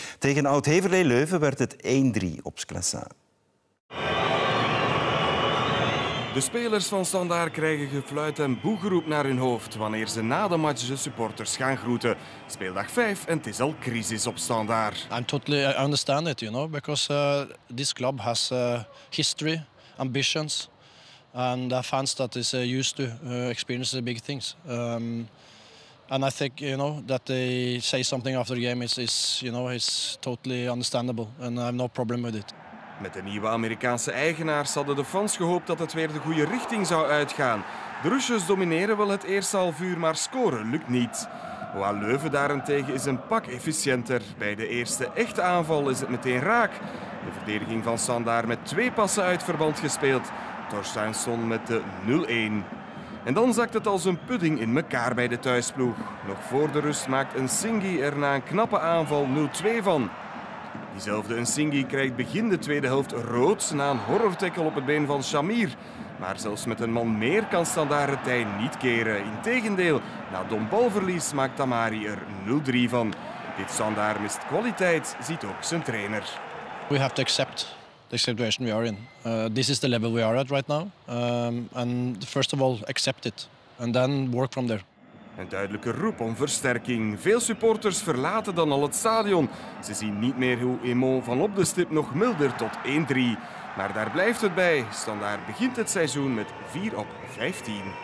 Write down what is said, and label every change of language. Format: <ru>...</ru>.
<nl>Tegen Oud-Heverlee Leuven werd het 1-3 op Sclessa. De spelers van Standaar krijgen gefluit en boegeroep naar hun hoofd wanneer ze na de match de supporters gaan groeten. Speeldag 5 en het is al crisis op Standaar.</nl> <en>I'm totally understand it, you know, because this club has history, ambitions, and fans that is used to experience the big things. And I think, you know, that they say something after the game is totally understandable, and I have no problem with it.</en> <nl>Met de nieuwe Amerikaanse eigenaars hadden de fans gehoopt dat het weer de goede richting zou uitgaan. De Roosjes domineren wel het eerste halfuur, maar scoren lukt niet. Waar Leuven daarentegen is een pak efficiënter. Bij de eerste echte aanval is het meteen raak. De verdediging van Standaar met 2 passen uit verband gespeeld. Torsteinsson met de 0-1. En dan zakt het als een pudding in elkaar bij de thuisploeg. Nog voor de rust maakt een Singi er na een knappe aanval 0-2 van. Diezelfde Nsingi krijgt begin de tweede helft rood na een horrortackle op het been van Shamir. Maar zelfs met een man meer kan Standaar het tij niet keren. Integendeel, na dombalverlies maakt Tamari er 0-3 van. Dit Standaar mist kwaliteit, ziet ook zijn trainer.</nl> <en>We have to accept the situation we are in. This is the level we are at right now. And first of all, accept it. And then work from there.</en> <nl>Een duidelijke roep om versterking. Veel supporters verlaten dan al het stadion. Ze zien niet meer hoe Emo van op de stip nog milder tot 1-3. Maar daar blijft het bij. Standaar begint het seizoen met 4 op 15.</nl>